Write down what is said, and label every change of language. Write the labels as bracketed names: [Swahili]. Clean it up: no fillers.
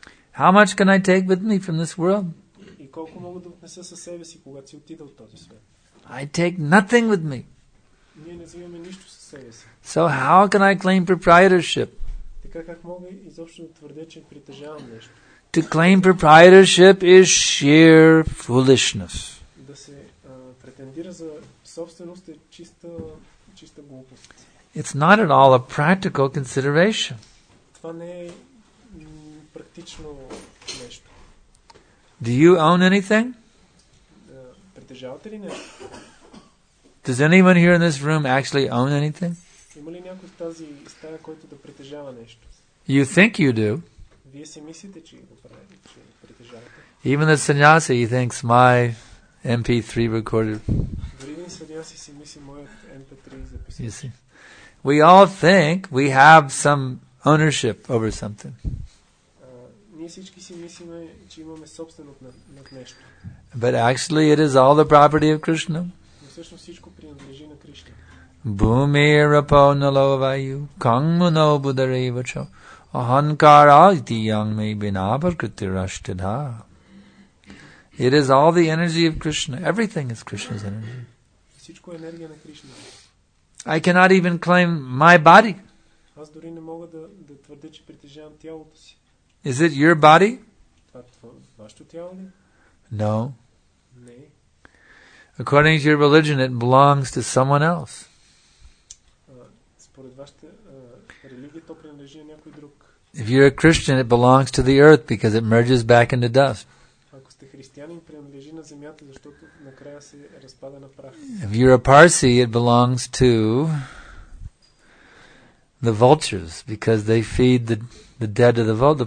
[English] How much can I take with me from this world? [Bulgarian] Колко мога да отнеса със себе си, когато си отида от този свят? [English] I take nothing with me. [Bulgarian] Ние не взимаме нищо със себе си. [English] So how can I claim proprietorship? [Bulgarian] Така как мога изобщо да твърдя, че притежавам нещо? [English] To claim proprietorship is sheer foolishness. [Bulgarian] Да се претендира за собственост е чиста, чиста глупост. [English] It's not at all a practical consideration. [Bulgarian] Това не е практично нещо. [English] Do you own anything? [Bulgarian] Притежавате ли нещо? [English] Does anyone here in this room actually own anything? [Bulgarian] Има ли някой в тази стая, който да притежава нещо? [English] You think you do. [Bulgarian] Вие си мислите, че го притежавате. [English] Even the sannyasi, he thinks, my MP3 recorder. [Bulgarian] Дори един sannyasi си мисли, моят MP3 записан. [English] You see. We all think we have some ownership over something. [Bulgarian] Ние всички си мислиме, че имаме собственост над нещо. [English] But actually it is all the property of Krishna. [Bulgarian] Всъщност всичко принадлежи на Кришна. [Sanskrit] Bhumi rapo nalo vayu kangmuno buddhareva cho ahankara iti yang me binabhargati rashtidha. [English] It is all the energy of Krishna. Everything is Krishna's energy. [Bulgarian] Всичко е енергия на Кришна. [English] I cannot even claim my body. [Bulgarian] Аз дори не мога да твърдя, че притежавам тялото си. [English] Is it your body? [Bulgarian] Това е вашето тяло ли? [English] No. [Bulgarian] Не. [English] According to your religion, it belongs to someone else. [Bulgarian] Според вашата религия, то принадлежи на някой друг. [English] If you're a Christian, it belongs to the earth because it merges back into dust. [Bulgarian] Ако сте християнин, принадлежи на земята, защото накрая се разпада на прах. [English] If you're a Parsi, it belongs to the vultures because they feed the dead to the vultures.